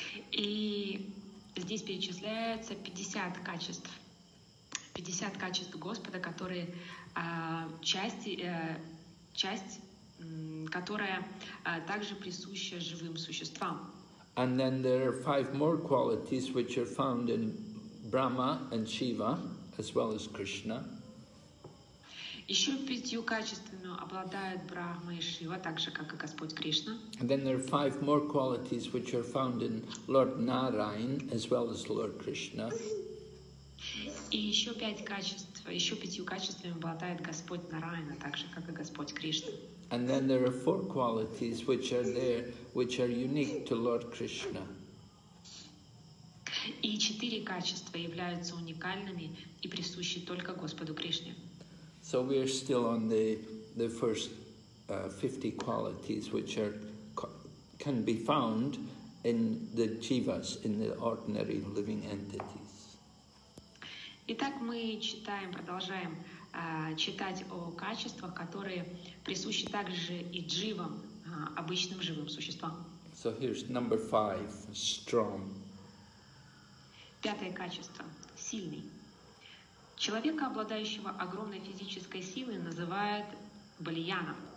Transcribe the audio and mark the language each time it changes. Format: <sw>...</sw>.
<ru>И здесь перечисляется 50 качеств. 50 качеств Господа, которые часть, которая также присуща живым существам.</ru> <en>And then there are 5 more qualities which are found in Brahma and Shiva. As well as Krishna.</en> <ru>Еще пятью качествами обладает Брахма и Шива, так же, как и Господь Кришна.</ru> <en>And then there are 5 more qualities which are found in Lord Narayan, as well as Lord Krishna.</en> <ru>И еще пять качеств, еще пятью качествами обладает Господь Нараяна, так же, как и Господь Кришна.</ru> <en>And then there are 4 qualities which are there, which are unique to Lord Krishna.</en> <ru>И четыре качества являются уникальными и присущи только Господу Кришне.</ru> <en>So we are still on the first 50 qualities which are can be found in the jivas, in the ordinary living entities.</en> <ru>Итак, мы читаем, продолжаем читать о качествах, которые присущи также и дживам, обычным живым существам.</ru> <en>So here's number five, strong.</en> <ru>Пятое качество – сильный. Человека, обладающего огромной физической силой, называют бальяном.</ru>